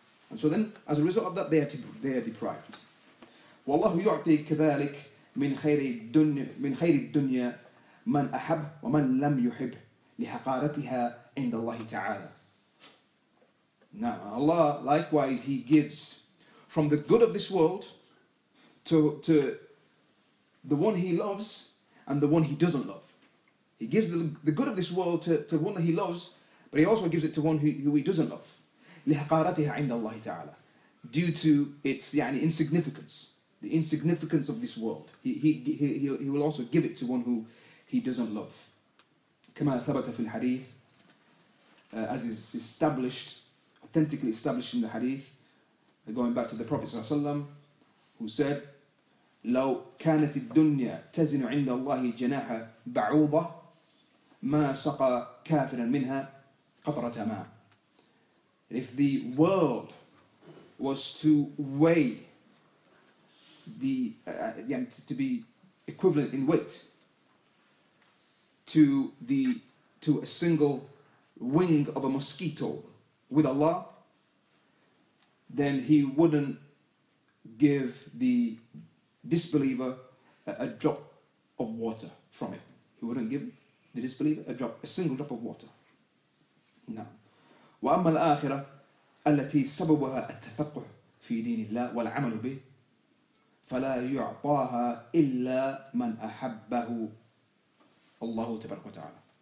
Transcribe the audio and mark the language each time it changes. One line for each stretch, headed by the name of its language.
English: And so then, as a result of that, they are deprived.
Arabic: وَاللَّهُ يُعْطِي كَذَلِكَ مِنْ خَيْرِ الدُّنْيَا مَنْ أَحَبْ وَمَنْ لَمْ يُحِبْ لِحَقَارَتِهَا عِنْدَ اللَّهِ تَعَالَى
English: Now, Allah, likewise, He gives from the good of this world to the one He loves and the one He doesn't love. He gives the good of this world to one that He loves, but He also gives it to one who He doesn't love.
Arabic: لِحَقَارَتِهَا عِنْدَ اللَّهِ تَعَالَى
English: Due to its يعني, insignificance. The insignificance of this world. He will also give it to one who he doesn't love.
Arabic: كما ثبت في الحديث
English: as is established, authentically established in the hadith, going back to the Prophet Sallallahu Alaihi Wasallam, who said,
Arabic: لو كانت الدنيا تزن عند الله جناح بعوضة ما سقى كافرا منها قطرة ماء.
English: If the world was to weigh to be equivalent in weight to a single wing of a mosquito with Allah, then He wouldn't give the disbeliever a drop of water from it. He wouldn't give the disbeliever a single drop of water. No.
Arabic: وأما الآخرة التي سببها التفقه في دين الله والعمل به فلا يعطاها إلا من أحبه الله تبارك وتعالى.